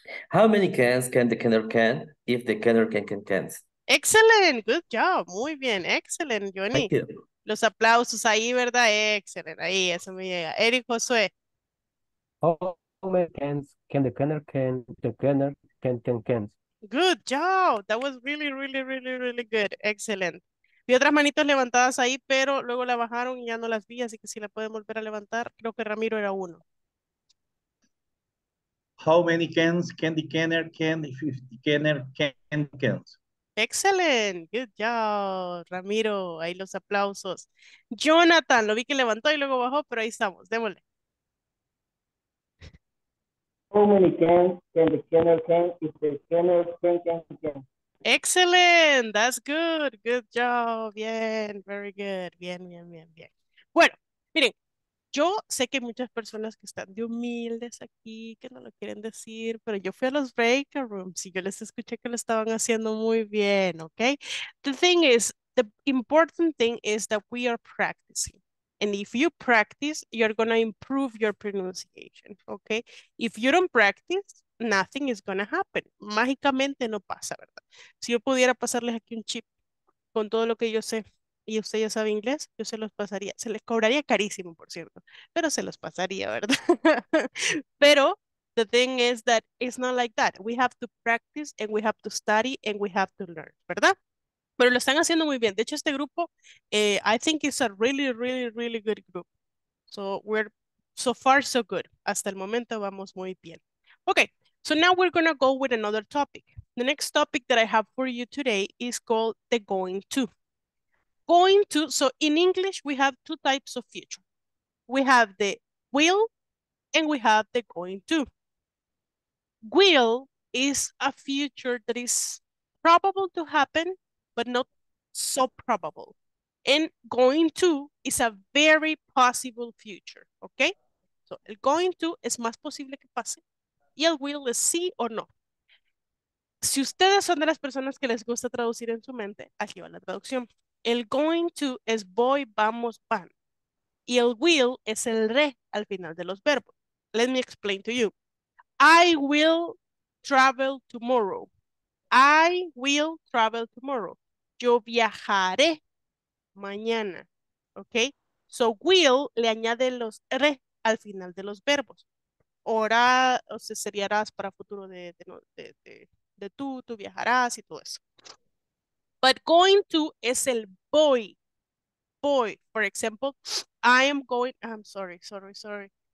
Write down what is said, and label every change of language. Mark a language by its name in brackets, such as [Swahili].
[English] How many cans can the canner can if the canner can cans? Excellent. Good job. [Spanish] Muy bien. [English] Excellent, Johnny. Thank you. [Spanish] Los aplausos ahí, ¿verdad? Excellent. Ahí, eso me llega. Eric, Josué. [English] How many cans can the canner can the canner can cans? Good job. That was really good. Excellent. [Spanish] Vi otras manitos levantadas ahí, pero luego la bajaron y ya no las vi, así que si la pueden volver a levantar, creo que Ramiro era uno. [English] How many cans can the canner can if the canner can cans? Excellent. Good job, Ramiro. [Spanish] Ahí los aplausos. Jonathan, lo vi que levantó y luego bajó, pero ahí estamos. Démosle. [English] How many can the canner can if the canner can? Excellent, that's good, good job, bien, very good, bien. [Spanish] Bueno, miren, yo sé que hay muchas personas que están de humildes aquí, que no lo quieren decir, pero yo fui a los break rooms y yo les escuché que lo estaban haciendo muy bien, ¿ok? [English] The thing is, the important thing is that we are practicing. And if you practice, you're going to improve your pronunciation, ¿ok? If you don't practice, nothing is going to happen. [Spanish] Mágicamente no pasa, ¿verdad? Si yo pudiera pasarles aquí un chip con todo lo que yo sé, y usted ya sabe inglés, yo se los pasaría. Se les cobraría carísimo, por cierto. Pero se los pasaría, ¿verdad? Pero [English] the thing is that it's not like that. We have to practice and we have to study and we have to learn, [Spanish] ¿verdad? Pero lo están haciendo muy bien. De hecho, este grupo, [English] I think it's a really, really, really good group. So we're so far so good. [Spanish] Hasta el momento vamos muy bien. [English] Okay, so now we're going to go with another topic. The next topic that I have for you today is called the going to. Going to, so in English, we have two types of future. We have the will and we have the going to. Will is a future that is probable to happen, but not so probable. And going to is a very possible future, okay? [Spanish] So el going to es más posible que pase. Y el will es sí o no. Si ustedes son de las personas que les gusta traducir en su mente, aquí va la traducción. El going to es voy, vamos, van. Y el will es el re al final de los verbos. [English] Let me explain to you. I will travel tomorrow. I will travel tomorrow. [Spanish] Yo viajaré mañana. [English] Okay? [Spanish] So will le añade los re al final de los verbos. Ahora, o sea, sería harás para futuro de tú viajarás y todo eso. But going to es el voy. [English] Voy, for example, I am going, I'm sorry, sorry, sorry.